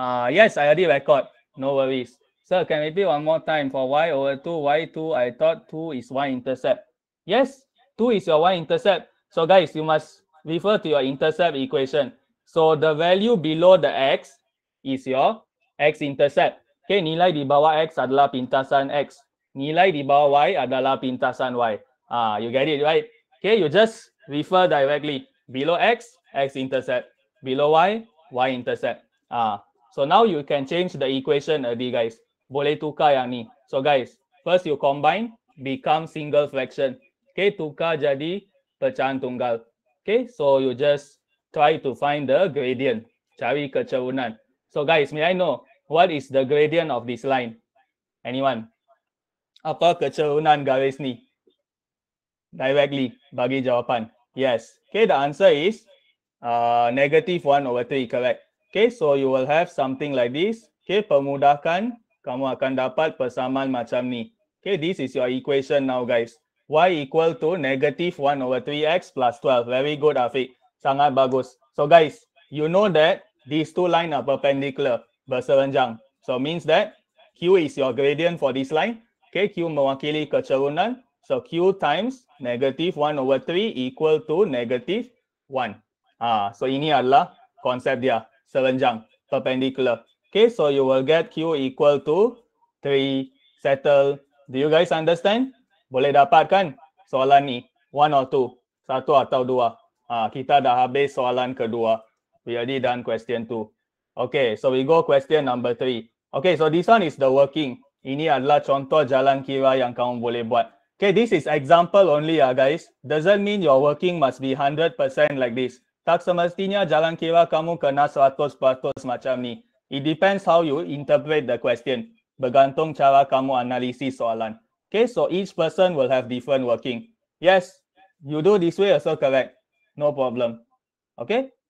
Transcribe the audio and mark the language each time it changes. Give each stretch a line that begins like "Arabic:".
English: Yes, I already record. No worries. Sir, can we repeat one more time for Y over 2? Y 2, I thought 2 is Y intercept. Yes, 2 is your Y intercept. So guys, you must refer to your intercept equation. So the value below the X is your X intercept.
Malay: Okay, nilai di bawah X adalah pintasan X. Nilai di bawah Y adalah pintasan Y.
English: Ah, you get it, right? Okay, you just refer directly. Below X, X intercept. Below Y, Y intercept. Ah. So now you can change the equation already, guys.
Malay: Boleh tukar yang ni.
English: So guys, first you combine, become single fraction. Okay,
Malay: tukar jadi pecahan tunggal.
English: Okay, so you just try to find the gradient.
Malay: Cari kecerunan.
English: So guys, may I know, what is the gradient of this line? Anyone?
Malay: Apa kecerunan garis ni?
English: Directly,
Malay: bagi jawapan. Yes.
English: Okay, the answer is negative 1 over 3, correct? Okay, so you will have something like this.
Malay: Okay, permudahkan, kamu akan dapat persamaan macam ni.
English: Okay, this is your equation now, guys. Y equal to negative 1 over 3x plus 12. Very good, Afiq.
Malay: Sangat bagus.
English: So, guys, you know that these two lines are perpendicular, berserenjang. So, means that Q is your gradient for this line. Okay,
Malay: Q mewakili kecerunan.
English: So, Q times negative 1 over 3 equal to negative 1.
Malay: So, ini adalah konsep dia. Serenjang, perpendicular.
English: Okay, so you will get Q equal to 3, settle. Do you guys understand?
Malay: Boleh dapatkan soalan ni?
English: 1 or 2?
Malay: 1 atau 2? Kita dah habis soalan kedua.
English: We already done question 2. Okay, so we go question number 3. Okay, so this one is the working.
Malay: Ini adalah contoh jalan kira yang kamu boleh buat.
English: Okay, this is example only, guys. Doesn't mean your working must be 100% like this.
Malay: Tak semestinya jalan kira kamu kena 100% macam ni.
English: It depends how you interpret the question.
Malay: Bergantung cara kamu analisis soalan.
English: Okay, so each person will have different working. Yes, you do this way also correct. No problem. Okay?